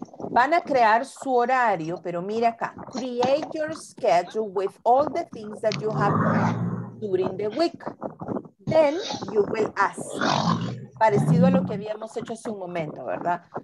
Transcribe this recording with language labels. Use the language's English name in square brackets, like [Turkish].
[Spanish] Van a crear su horario, pero mire acá. [English] Create your schedule with all the things that you have during the week. Then you will ask. [Spanish] Parecido a lo que habíamos hecho hace un momento, ¿verdad?